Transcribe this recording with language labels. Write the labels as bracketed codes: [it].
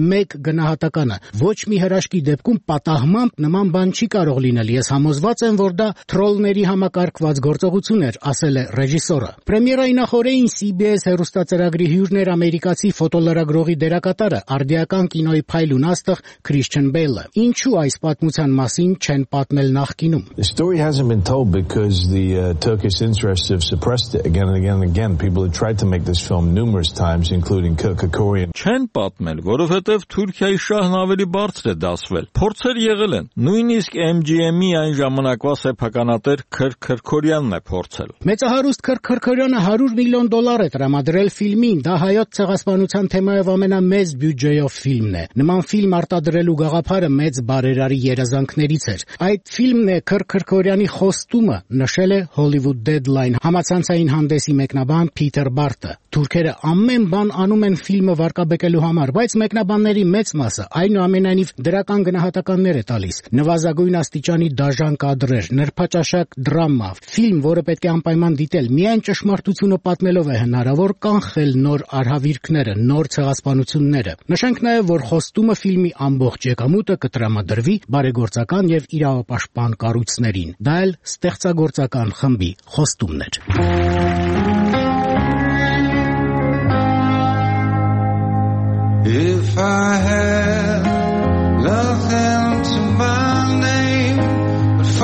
[hy] մեկ գնահատականը։ Ոչ մի հրաշքի դեպքում պատահմամբ նման բան չի կարող լինել։ Ես համոզված եմ, որ դա տրոլների համակարգված գործողություն է, ասել է ռեժիսորը։ Պրեմիերայի նախորդին CBS հեռուստացրագրի հյուրներ ամերիկացի ֆոտոլրագրողի դերակատարը, արդիական կինոյի փայլուն աստղ Քրիստիան Բեյլը, ինչու այս պատմության մասին չեն պատմել նախկինում։ [en] The story hasn't been told because the Turkish interests have suppressed it again and again and again. People have tried to make this film numerous times, including Kürk Kakorian. [hy] Չեն պատմել, որովհետև Թուրքիայի շահն ավելի բարձր է դասվել։ Փորձեր եղել են, նույնիսկ MGM-ի այն ժամանակվա սեփականատեր Kürk Kakorian-ն է փորձել։ Մեծահարուստ Kürk Kakorian-ը 100 միլիոն դոլար է տրամադրել ֆիլմին, դա հայոց ցեղասպանության թեմայով ամենամեծ բյուջեով ֆիլմն է։ Նման ֆիլմ արտադրելու գաղափարը մեծ բարերարի երազանքներից էր։ Այդ ֆիլմն է Kürk Kakorian-ի «Խոստումը», նշել է Hollywood Deadline համացանցային հանդեսի մեկնաբան Փիթեր Բարտը։ Թուրքերը ամեն բան անում են ֆիլմը վարկաբեկելու համար, բայց մեկնաբանների մեծ մասը այնուամենայնիվ դրական գնահատականներ է տալիս։ Նվազագույն աստիճանի դաժան կադրեր, նրբաճաշակ դրամա, ֆիլմ, որը պետք է անպայման դիտել, միայն ճշմարտությունը պատմելով է հնարավոր կանխել նոր արհավիրքները, նոր ցեղասպանությունները։ Նշենք նաև, որ «Խոստումը» ֆիլմի ամբողջ եկամուտը կտրամադրվի բարեգործական եւ իրավապաշտպան կառույցներին, դա էլ ստեղծագործական խմբի «Խոստումն» էր։ [en] If I had nothing to my name,